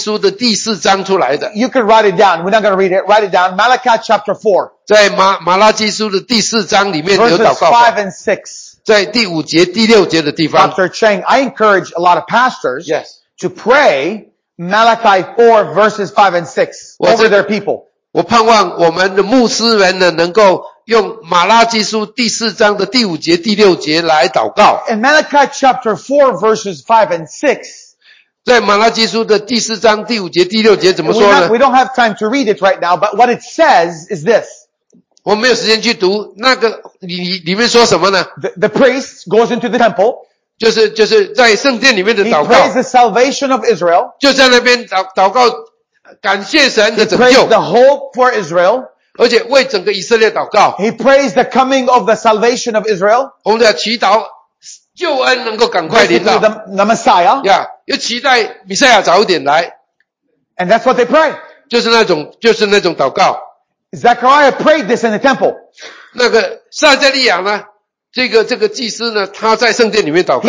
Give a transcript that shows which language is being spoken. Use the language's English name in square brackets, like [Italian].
[Chinese] 他的祷告是从马拉基书的第四章出来的。 [English] You can write it down. We're not going to read it. Write it down. Malachi chapter 4. [Chinese] 在马拉基书的第四章里面有祷告话。 [English] Verses 5 and 6. [Chinese] 在第五节第六节的地方, [English] Dr. Cheng, I encourage a lot of pastors, yes, to pray Malachi 4 verses 5 and 6 over their people. [Chinese] 我盼望我们的牧师们呢能够用马拉基书第四章的第五节第六节来祷告。 [English] In Malachi chapter 4 verses 5 and 6, [Chinese] 在马拉基书的第四章第五节第六节怎么说呢? [English] We don't have time to read it right now, but what it says is this. [Chinese] 我没有时间去读,那个,里面说什么呢? [English] The priest goes into the temple. [Chinese] 就是在圣殿里面的祷告。 [English] He prays the salvation of Israel. [Chinese] 就在那边祷告,感谢神的拯救。 [English] He prays the hope for Israel. [Chinese] 而且为整个以色列祷告。 [English] He prays the coming of the salvation of Israel. [Chinese] 我们要祈祷救恩能够赶快临到。 [English] The Messiah. [Chinese] Yeah, 又期待弥赛亚早点来。 [English] And that's what they pray. [Chinese] 就是那种祷告。 [English] Zechariah prayed this in the temple. [Chinese] 那个撒迦利亚呢, 这个祭司呢, 他在圣殿里面祷告。